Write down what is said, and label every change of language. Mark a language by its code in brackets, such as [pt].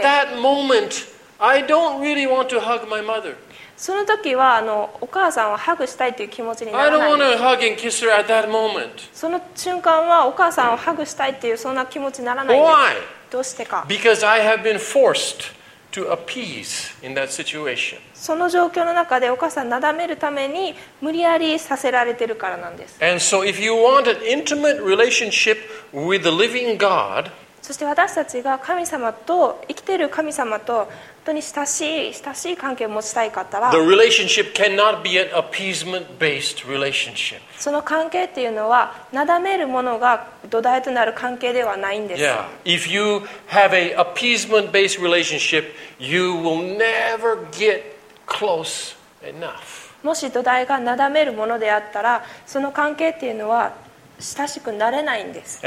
[en] At that moment, I don't really want to hug my mother. [ja] その時はお母さんをハグしたいという気持ちにならない。 [en] I don't want to hug and kiss her at that moment. [ja] その瞬間はお母さんをハグしたいというそんな気持ちにならない。 [en] Why? [ja] どうしてか。 [en] Because I have been forced to appease in that situation. [ja] その状況の中でお母さんなだめるために無理やりさせられてるからなんです。 [en] And so if you want an intimate relationship with the living God, [ja] そして私たちが神様と生きている神様と本当に親しい関係を持ちたい方は、 [en] the relationship cannot be an appeasement based relationship. [ja] その関係っていうのはなだめるものが土台となる関係ではないんです。 Yeah. [en] If you have an appeasement based relationship, you will never get close enough. [ja] もし土台がなだめるものであったら、その関係っていうのは親しくなれないんです。